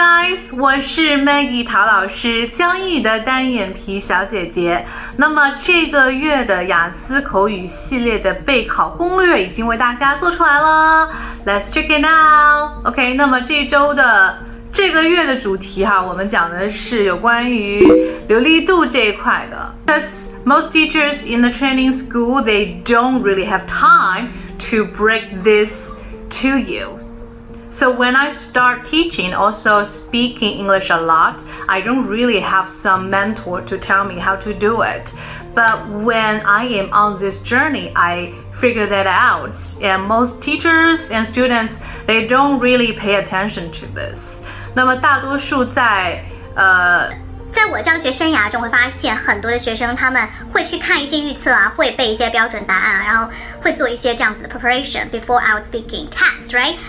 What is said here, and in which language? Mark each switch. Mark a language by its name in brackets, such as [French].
[Chinese] guys， 我是 Maggie 陶老师，江毅的单眼皮小姐姐。那么这个月的雅思口语系列的备考攻略已经为大家做出来了， [English] Let's check it out。 [Chinese] OK， 那么这周的这个月的主题哈，我们讲的是有关于流利度这一块的。 [English] Because most teachers in the training school they don't really have time to break this to youSo when I start teaching, also speaking English a lot, I don't really have some mentor to tell me how to do it. But when I am on this journey, I figure that out. And most teachers and students, they don't really pay attention to this. [Chinese] 那么大多数在在我教学生涯中会发现很多的学生他们会去看一些预测啊，会背一些标准答案啊，然后会做一些这样子的 [English] preparation before out speaking tests, right?